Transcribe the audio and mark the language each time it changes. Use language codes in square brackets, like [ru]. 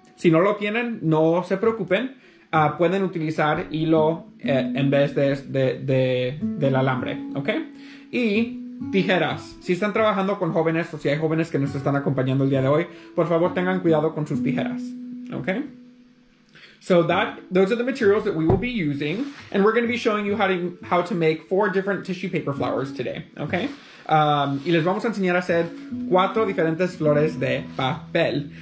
[es] Si no lo tienen, no se preocupen. Pueden utilizar hilo en vez del alambre, ¿ok? Y tijeras. Si están trabajando con jóvenes o si hay jóvenes que nos están acompañando el día de hoy, por favor tengan cuidado con sus tijeras. [en] Okay? So those are the materials that we will be using, and we're going to be showing you how to make 4 different tissue paper flowers today. Okay? [es] Y les vamos a enseñar a hacer 4 diferentes flores de papel.